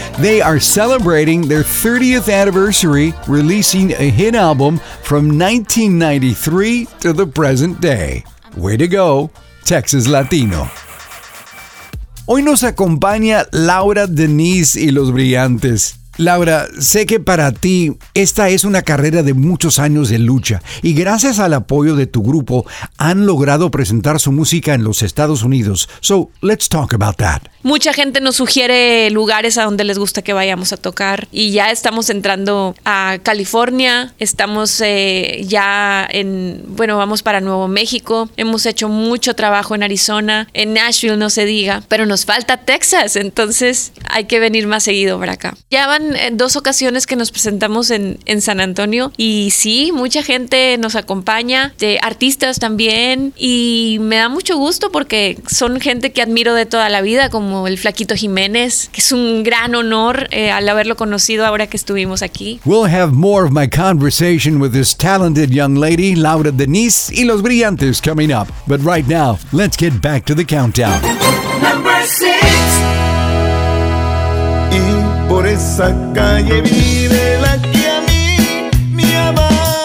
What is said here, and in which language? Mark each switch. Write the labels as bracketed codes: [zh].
[en] They are celebrating their 30th anniversary, releasing a hit album from 1993 to the present day. Way to go, Texas Latino. [es] Hoy nos acompaña Laura Denise y Los Brillantes. Laura, sé que para ti esta es una carrera de muchos años de lucha y gracias al apoyo de tu grupo han logrado presentar su música en los Estados Unidos. [en] So, let's talk about that. [es] Mucha gente nos sugiere lugares a donde les gusta que vayamos a tocar y ya estamos entrando a California, estamos ya en, bueno, vamos para Nuevo México, hemos hecho mucho trabajo en Arizona, en Nashville no se diga, pero nos falta Texas, entonces hay que venir más seguido para acá. Ya va dos ocasiones que nos presentamos en San Antonio y sí, mucha gente nos acompaña, de artistas también, y me da mucho gusto porque son gente que admiro de toda la vida, como el Flaquito Jiménez, que es un gran honor al haberlo conocido ahora que estuvimos aquí. [en] We'll have more of my conversation with this talented young lady, Laura Denise y Los Brillantes, coming up, but right now, let's get back to the countdown. Number 6. [es] Por esa calle vive la que a mí me abandonó.